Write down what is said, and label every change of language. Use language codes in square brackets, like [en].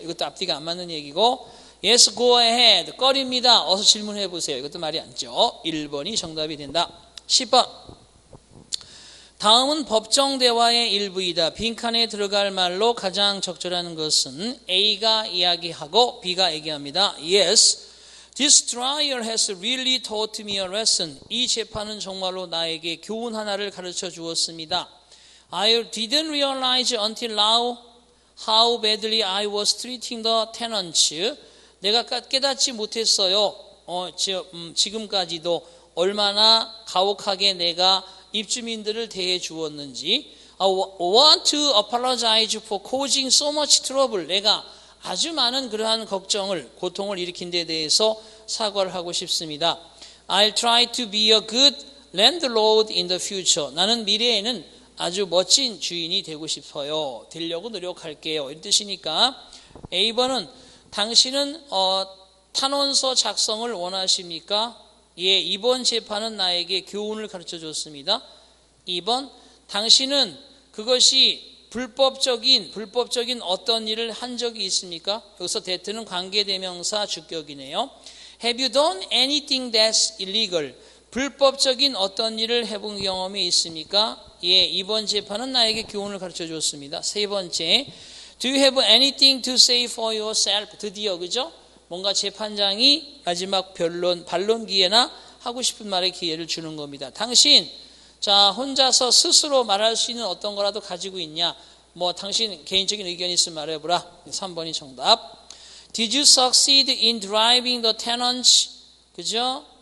[ko] 이것도 앞뒤가 안 맞는 얘기고 [en] Yes, go ahead. [ko] 꺼립니다. 어서 질문해 보세요. 이것도 말이 안 되죠. 1번이 정답이 된다. 10번. 다음은 법정 대화의 일부이다. 빈칸에 들어갈 말로 가장 적절한 것은 A가 이야기하고 B가 얘기합니다. [en] Yes, this trial has really taught me a lesson. [ko] 이 재판은 정말로 나에게 교훈 하나를 가르쳐 주었습니다. [en] I didn't realize until now how badly I was treating the tenants. [ko] 내가 깨닫지 못했어요. 지금까지도 얼마나 가혹하게 내가 입주민들을 대해 주었는지. [en] I want to apologize for causing so much trouble. [ko] 내가 아주 많은 그러한 걱정을, 고통을 일으킨 데 대해서 사과를 하고 싶습니다. [en] I'll try to be a good landlord in the future. [ko] 나는 미래에는 아주 멋진 주인이 되고 싶어요. 되려고 노력할게요. 이런 뜻이니까 A번은 당신은 탄원서 작성을 원하십니까? 예, 이번 재판은 나에게 교훈을 가르쳐줬습니다. 2번, 당신은 그것이 불법적인 어떤 일을 한 적이 있습니까? 여기서 that는 관계대명사 주격이네요. [en] Have you done anything that's illegal? [ko] 불법적인 어떤 일을 해본 경험이 있습니까? 예, 이번 재판은 나에게 교훈을 가르쳐줬습니다. 세 번째, [en] Do you have anything to say for yourself? [ko] 드디어, 그죠? 뭔가 재판장이 마지막 반론 기회나 하고 싶은 말의 기회를 주는 겁니다. 당신, 자, 혼자서 스스로 말할 수 있는 어떤 거라도 가지고 있냐? 뭐, 당신 개인적인 의견 있으면 말해보라. 3번이 정답. [en] Did you succeed in driving the tenants? [ko] 그죠?